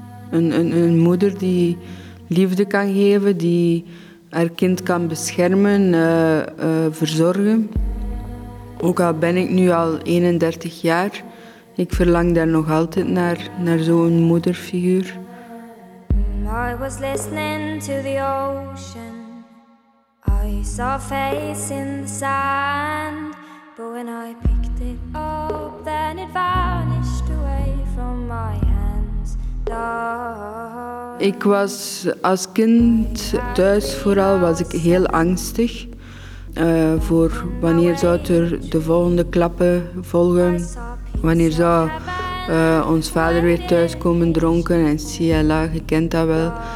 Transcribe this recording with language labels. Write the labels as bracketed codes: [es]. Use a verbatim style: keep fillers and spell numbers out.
[nl] Een, een, een moeder die... liefde kan geven, die haar kind kan beschermen, uh, uh, verzorgen. Ook al ben ik nu al eenendertig jaar, ik verlang daar nog altijd naar, naar zo'n moederfiguur. [en] I was listening to the ocean. I saw a face in the sand. But when I picked it up, then it vanished away from my hands. The [nl] Ik was als kind thuis vooral was ik heel angstig uh, voor wanneer zou er de volgende klappen volgen. Wanneer zou uh, ons vader weer thuis komen dronken en ciala, je kent dat wel.